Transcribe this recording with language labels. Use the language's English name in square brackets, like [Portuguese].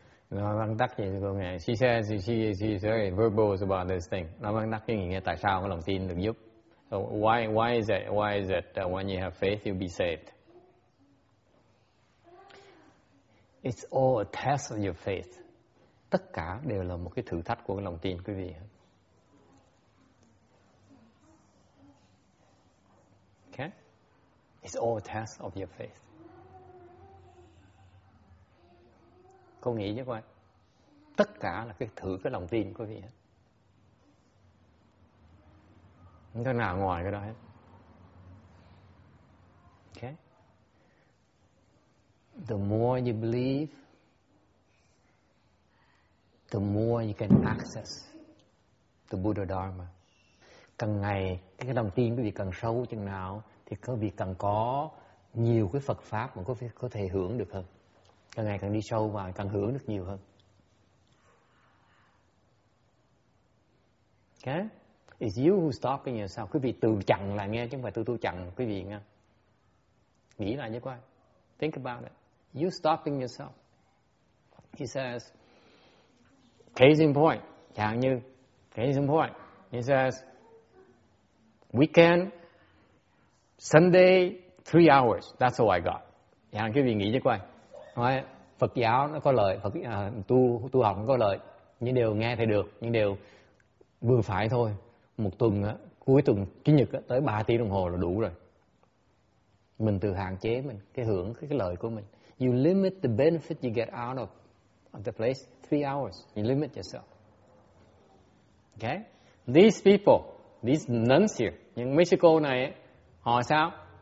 [Vietnamese] nói văn tắc gì cô nghe. [English] She says she's very verbal about this thing. [Vietnamese] Nói văn tắc cái nghĩa tại sao cái lòng tin được giúp. [English] So why is it that when you have faith you'll be saved? It's all a test of your faith. [Vietnamese] Tất cả đều là một cái thử thách của cái lòng tin quý vị. [English] Okay. It's all a test of your faith. [Vietnamese] Cô nghĩ chứ coi. Tất cả là cái thử cái lòng tin của quý vị hết. Không có nào ngoài cái đó hết. [English] Okay. The more you believe, the more you can access the Buddha Dharma. [Vietnamese] Càng ngày cái lòng tin quý vị càng sâu chừng nào thì quý vị càng có nhiều cái Phật Pháp mà quý vị có thể hưởng được hơn. Càng ngày càng đi sâu và càng hưởng được nhiều hơn. [English] Okay? It's you who's talking yourself. [Vietnamese] Quý vị tự chặn là nghe chứ không phải tôi chặn quý vị nghe. Nghĩ lại nhớ coi. [English] Think about it. You stopping yourself. He says, case in point. [Vietnamese] Chẳng như, [English] case in point. He says, weekend, Sunday, 3 hours. That's all I got. [Vietnamese] Chẳng quý vị nghĩ nhớ coi. Nói, Phật giáo nó có lợi, tu học nó có lợi. Những điều nghe thì được, những điều vừa phải thôi. Một tuần á, cuối tuần chủ nhật á, tới 3 tiếng đồng hồ là đủ rồi. Mình tự hạn chế mình cái hưởng cái lợi của mình. [English] You limit the benefit you get out of the place 3 hours. You limit yourself. Okay? These people, these nuns here, [Vietnamese] những Mexico này họ sao?